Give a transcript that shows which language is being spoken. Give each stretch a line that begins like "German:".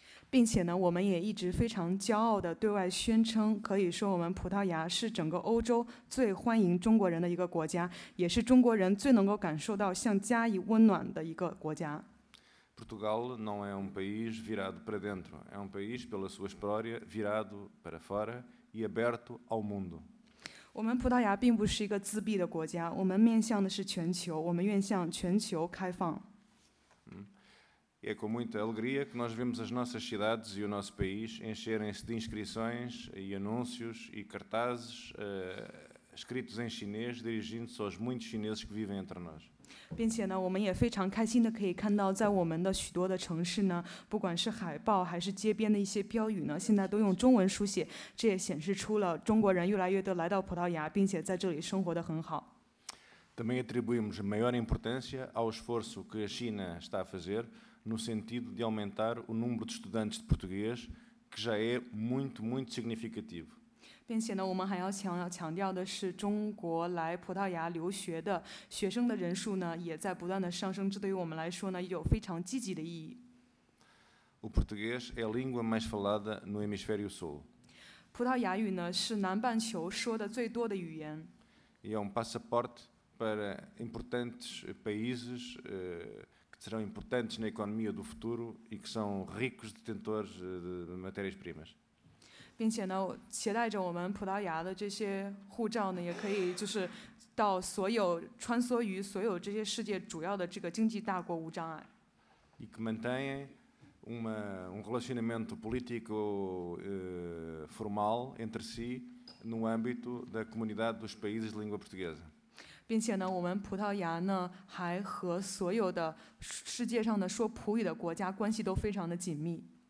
Chinese: 并且呢，我们也一直非常骄傲的对外宣称，可以说我们葡萄牙是整个欧洲最欢迎中国人的一个国家，也是中国人最能够感受到像家一温暖的一个国家。
Portuguese: Portugal não é país virado para dentro, é país pela sua história virado para fora e aberto ao mundo.
Chinese: 我们葡萄牙并不是一个自闭的国家，我们面向的是全球，我们愿向全球开放。
Portuguese: É com muita alegria que nós vemos as nossas cidades e o nosso país encherem-se de inscrições e anúncios e cartazes escritos em chinês dirigindo-se aos muitos chineses que vivem entre nós.
Chinese: 并且呢，我们也非常开心的可以看到，在我们的许多的城市呢，不管是海报还是街边的一些标语呢，现在都用中文书写，这也显示出了中国人越来越多来到葡萄牙，并且在这里生活得很好。
Portuguese: Também atribuímos maior importância ao esforço que a China está a fazer no sentido de aumentar o número de estudantes de português, que já é muito, muito significativo.
Chinese: 并且呢，我们还要强调的是，中国来葡萄牙留学的学生的人数呢，也在不断的上升，这对于我们来说呢，有非常积极的意义。
Portuguese: O português é a língua mais falada no hemisfério sul.
Chinese: 葡萄牙语呢，是南半球说的最多的语言。
Portuguese: E é passaporte para importantes países que serão importantes na economia do futuro e que são ricos detentores de matérias-primas.
Chinese: 并且呢，携带着我们葡萄牙的这些护照呢，也可以就是到所有穿梭于所有这些世界主要的这个经济大国无障碍。
Portuguese: E que mantém um relacionamento político formal entre si no âmbito da comunidade dos países de língua portuguesa.
Chinese: 并且呢，我们葡萄牙呢还和所有的世界上的说葡语的国家关系都非常的紧密。